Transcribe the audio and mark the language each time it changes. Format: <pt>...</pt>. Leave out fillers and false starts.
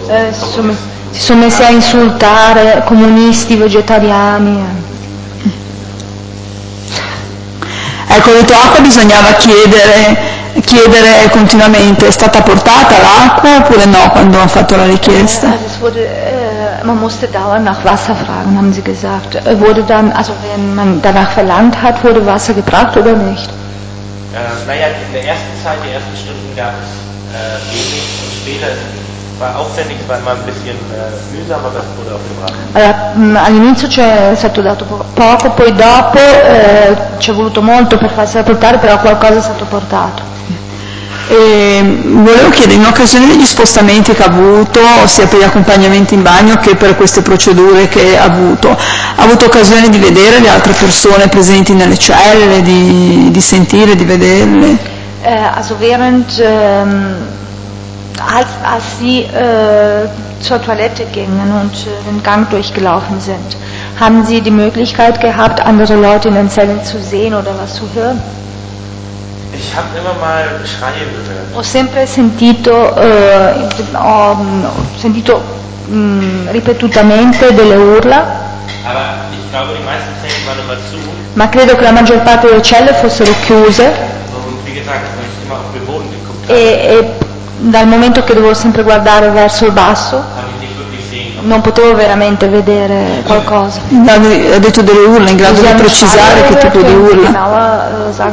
<it>Si sono messi a insultare comunisti, vegetariani. Ecco, ho detto acqua bisognava chiedere continuamente. È stata portata l'acqua oppure no quando hanno fatto la richiesta?</it> <de>Man musste dauernd nach Wasser fragen, haben sie gesagt. Wurde dann, also wenn man danach verlangt hat, wurde Wasser gebracht oder nicht? Naja, in der ersten Zeit, die ersten Stunden gab es wenig, und später war aufwendig, weil man ein bisschen mühsamer, das wurde auch gebracht.</de> <it>Allora, all'inizio c'è stato dato poco, poi dopo ci è voluto molto per farsi portare, però qualcosa è stato portato. E volevo chiedere, in occasione degli spostamenti che ha avuto, sia per gli accompagnamenti in bagno che per queste procedure che ha avuto, ha avuto occasione di vedere le altre persone presenti nelle celle, di sentire, di vederle?</it> <de>Also während als sie zur Toilette gingen und den Gang durchgelaufen sind, haben sie die Möglichkeit gehabt, andere Leute in den Zellen zu sehen oder was zu hören? Ich habe immer mal Schreie gehört.</de> <it>Ho sempre sentito, ripetutamente delle urla.</it> <de>Aber ich glaube, die meisten Zellen waren immer zu.</de> <it>Ma credo che la maggior parte delle celle fossero chiuse.</it> <de>Und wie gesagt, weil ich immer auf den Boden geguckt habe.</de> <it>E dal momento che dovevo sempre guardare verso il basso, non potevo veramente vedere qualcosa. Ha detto delle urla, in grado di precisare che tipo di urla?</it>